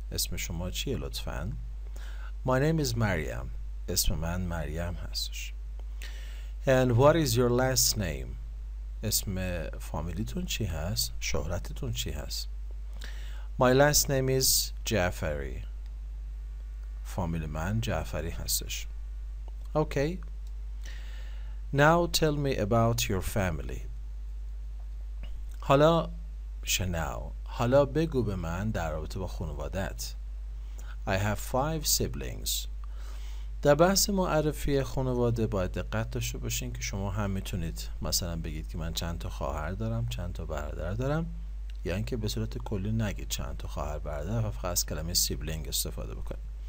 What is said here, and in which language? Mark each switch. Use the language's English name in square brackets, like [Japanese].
[Persian] اسم شما چیه لطفاً؟ [English] My name is Maryam. [Persian] اسم من مریم هستش. [English] And what is your last name? [Persian] اسم فامیلیتون چی هست؟ شهرتتون چی هست؟ [English] My last name is Jafari. [Persian] فامیل من جعفری هستش. Okay. [English] Now tell me about your family. [Persian] حالا شنو؟ حالا بگو به من در رابطه با خانوادت. [English] I have 5 siblings. [Persian] در بحث معرفی خانواده باید دقت داشته باشین که شما هم میتونید مثلا بگید که من چند تا خواهر دارم، چند تا برادر دارم، یا یعنی اینکه به صورت کلی نگید چند تا خواهر برادر، فقط از کلمه سیبلینگ استفاده بکنید.